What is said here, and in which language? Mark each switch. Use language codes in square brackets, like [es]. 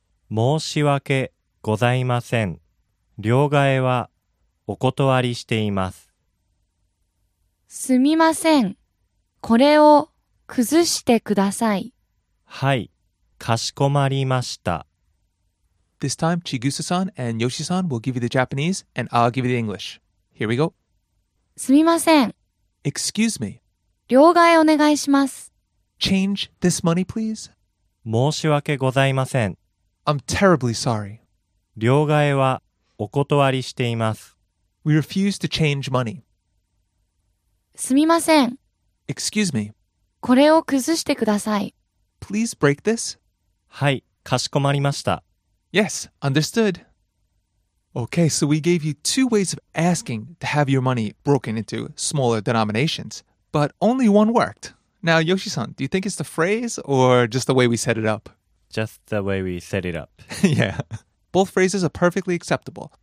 [ja] 申し訳ございません。両替はお断りしています。すみません。これを崩してください。はい、かしこまりました。 [en] This time, Chigusa-san and Yoshi-san will give you the Japanese and I'll give you the English. Here we go. [ja] すみません。 [en] Excuse me. [ja] 両替お願いします。 [en] Change this money, please. [ja] 申し訳ございません。 [en] I'm terribly sorry. [ja] 両替はお断りしています。 [en] We refuse to change money. [ja] すみません。 [en] Excuse me. [ja] これを崩してください。 [en] Please break this. [ja] はい、かしこまりました。 [en] Yes, understood. Okay, so we gave you two ways of asking to have your money broken into smaller denominations, but only one worked. Now, Yoshi-san, do you think it's the phrase or just the way we set it up? Just the way we set it up. Yeah. Both phrases are perfectly acceptable.